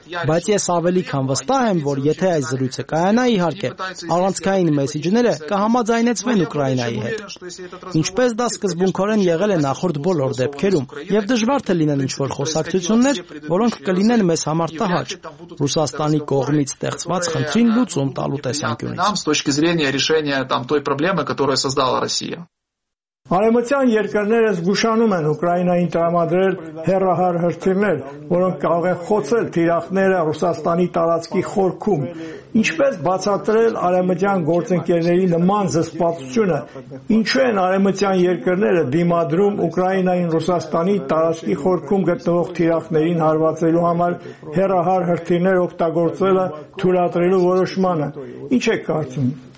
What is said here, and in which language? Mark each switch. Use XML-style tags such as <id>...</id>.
<hy>Բայց ես ավելի քան վստահ եմ, որ եթե այս զրույցը կայանա, իհարկե, առանցքային մեսիջները կհամաձայնեցվեն Ուկրաինայի հետ։ Ինչպես դա սկզբունքորեն եղել է նախորդ բոլոր դեպքերում, եւ դժվար թե լինեն ինչ-որ խոսակցություններ, որոնք կլինեն մեզ համար տհաճ, Ռուսաստանի կողմից ստեղծված խնդրին լուծում տալու տեսանկյունից։</hy> <ru>Решение там той проблемы, которую создала Россия.</ru> <hy>Արևմտյան երկրները զգուշանում են Ուկրաինային տրամադրել հեռահար հրթիռներ, որոնք կարող են խոցել թիրախները Ռուսաստանի տարածքի խորքում։ Ինչպես բացատրել արևմտյան գործընկերների նման զսպվածությունը, ինչու են արևմտյան երկրները դիմադրում Ուկրաինային Ռուսաստանի տարածքի խորքում գտնվող թիրախներին հարվածելու համար հեռահար հրթիռներ օգտագործելը թույլատրելու որոշմանը։ Ինչ է կարծում։</hy>